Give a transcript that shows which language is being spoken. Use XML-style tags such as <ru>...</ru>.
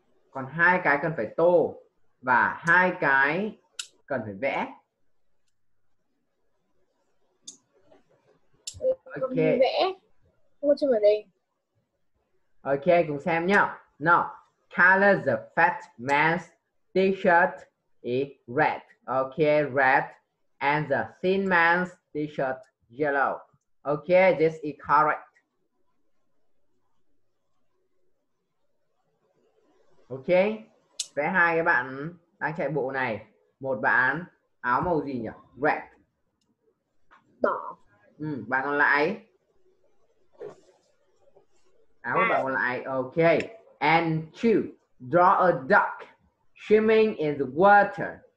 <vi>Còn 2 cái cần phải tô và 2 cái cần phải vẽ. Ok. Vẽ. Một chút vào đây. Ok, cùng xem nhá.</vi> <en>Now, color the fat man's t-shirt is red. Ok, red. And the thin man's t-shirt yellow. Ok, this is correct.</en> <vi>Ok, vẽ hai cái bạn đang chạy bộ này. Một bạn áo màu gì nhỉ?</vi> <en>Red.</en> <vi>Đỏ. Ừ, bạn còn lại áo của bạn còn lại. Ok.</vi> <en>And two, draw a duck swimming in the water.</en>